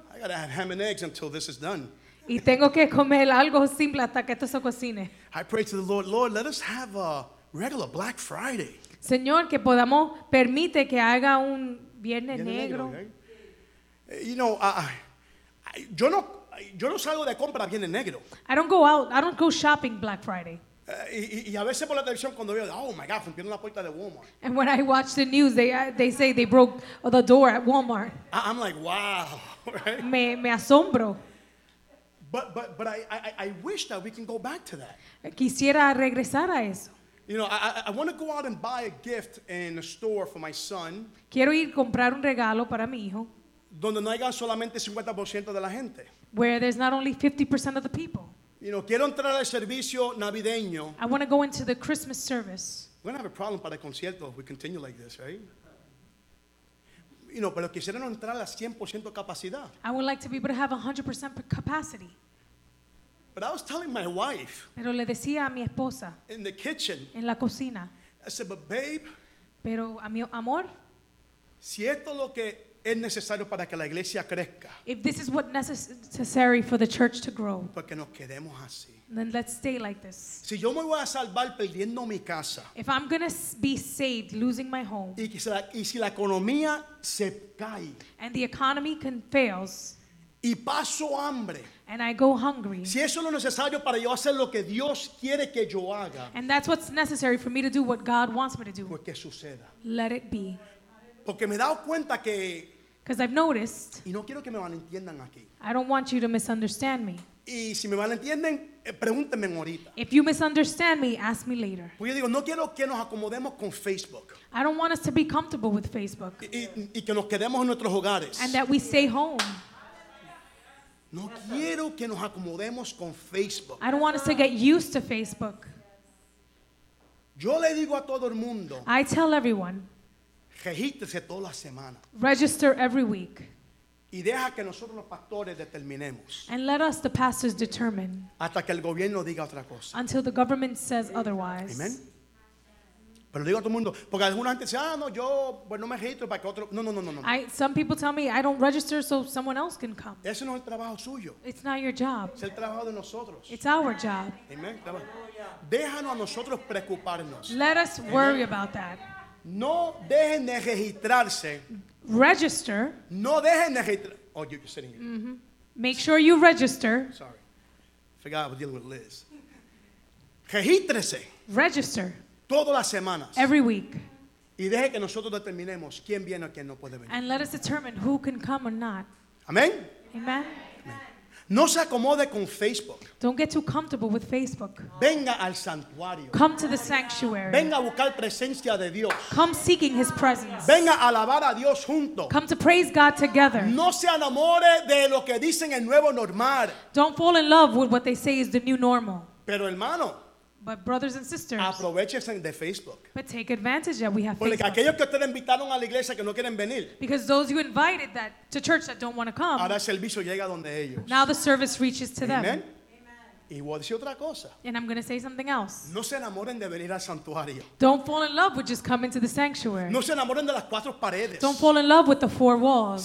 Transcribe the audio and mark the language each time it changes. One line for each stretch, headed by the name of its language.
English: I gotta have ham and eggs until this is done.
Spanish: Y tengo que comer algo simple hasta que esto se cocine.
English: I pray to the Lord, Lord, let us have a regular Black Friday.
Spanish: Señor, que podamos permite que haga un viernes negro.
English: You know,
Spanish: yo no salgo de compra viernes negro.
English: I don't go out, I don't go shopping Black Friday. And when I watch the news, they say they broke the door at Walmart. I'm like, wow. Right?
Spanish: Me asombro.
English: But I wish that we can go back to that.
Spanish: Quisiera regresar a eso.
English: You know, I want to go out and buy a gift in a store for my son.
Spanish: Quiero ir comprar un regalo para mi hijo. Donde no haya solamente 50% de la gente.
English: Where there's not only 50% of the people. You know,
Spanish: quiero entrar al servicio navideño.
English: I want to go into the Christmas service. We're going to have a problem
Spanish: para el concierto
English: if we continue like this, right? You know,
Spanish: pero quisiera no entrar a 100% capacidad.
English: I would like to be able to have 100% capacity. But I was telling my wife.
Spanish: Pero le decía a mi esposa.
English: In the kitchen.
Spanish: En la cocina.
English: I said, but babe.
Spanish: Pero a mi amor. Si esto es lo que es necesario para que la iglesia crezca.
English: If this is what's necessary for the church to grow,
Spanish: porque nos quedemos así.
English: Then let's stay like this.
Spanish: Si yo me voy a salvar perdiendo mi casa,
English: if I'm going to be saved losing my home,
Spanish: y si la economía se cae,
English: and the economy fails,
Spanish: y paso hambre,
English: and I go hungry,
Spanish: si eso es lo necesario para yo hacer lo que Dios quiere que yo haga,
English: and that's what's necessary for me to do what God wants me to do,
Spanish: pues que suceda.
English: Let it be.
Spanish: Porque me he dado cuenta que,
English: because I've noticed,
Spanish: y no quiero que me malentiendan aquí.
English: I don't want you to misunderstand me.
Spanish: Y si me malentienden, pregúntenme ahorita.
English: If you misunderstand me, ask me later.
Spanish: Pues yo digo, no quiero que nos acomodemos con Facebook.
English: I don't want us to be comfortable with Facebook.
Spanish: Y que nos quedemos en nuestros hogares.
English: And that we stay home.
Spanish: No quiero que nos acomodemos con Facebook.
English: I don't want us to get used to Facebook.
Spanish: Yo le digo a todo el mundo.
English: I tell everyone.
Spanish: Regístrese toda la semana.
English: Register every week.
Spanish: Y deja que nosotros los pastores determinemos.
English: And let us the pastors determine.
Spanish: Hasta que el gobierno diga otra cosa.
English: Until the government says otherwise. Amen.
Spanish: Pero digo a todo el mundo, porque alguna gente dice, ah, no, yo pues no me registro para que otro. No.
English: Some people tell me I don't register so someone else can come.
Spanish: Ese no es el trabajo suyo.
English: It's not your job.
Spanish: Es el trabajo de nosotros.
English: It's our job.
Spanish: Amen. Déjanos a nosotros preocuparnos.
English: Let us worry about that.
Spanish: No dejen de registrarse.
English: Register.
Spanish: No dejen de registrarse.
English: Oh, you're sitting here. Mm-hmm. Make sure you register. Sorry. Forgot I was dealing with Liz.
Spanish: Regístrese.
English: Register.
Spanish: Todas las semanas.
English: Every week.
Spanish: Y deje que nosotros determinemos quién viene o quién no puede venir.
English: And let us determine who can come or not.
Spanish: Amén.
English: Amen.
Spanish: No se acomode con Facebook.
English: Don't get too comfortable with Facebook.
Spanish: Venga al santuario.
English: Come to the sanctuary.
Spanish: Venga a buscar presencia de Dios.
English: Come seeking his presence.
Spanish: Venga a alabar a Dios junto.
English: Come to praise God together.
Spanish: No se enamore de lo que dicen el nuevo normal.
English: Don't fall in love with what they say is the new normal.
Spanish: Pero hermano.
English: But brothers and sisters.
Spanish: Aprovechense de Facebook.
English: But take advantage that we have Facebook.
Spanish: Porque aquellos que ustedes invitaron a la iglesia que no quieren venir.
English: Because those you invited that to church that don't want to come.
Spanish: Ahora el servicio llega donde ellos.
English: Now the service reaches to Amen. Them.
Spanish: Amen. Y voy a decir otra cosa.
English: And I'm going to say something else.
Spanish: No se enamoren de venir al santuario.
English: Don't fall in love with just coming to the sanctuary.
Spanish: No se enamoren de las cuatro paredes.
English: Don't fall in love with the four walls.